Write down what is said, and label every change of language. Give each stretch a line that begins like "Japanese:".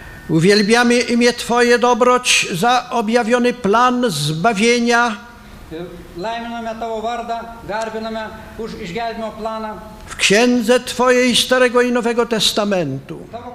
Polish: Uwielbiamy imię Twoje, dobroć, za objawiony plan zbawienia.
Lithuanian: Laiminame tavo vardą, garbiname už išgelbėjimo planą.
Polish: w Księdze Twojej Starego i Nowego Testamentu.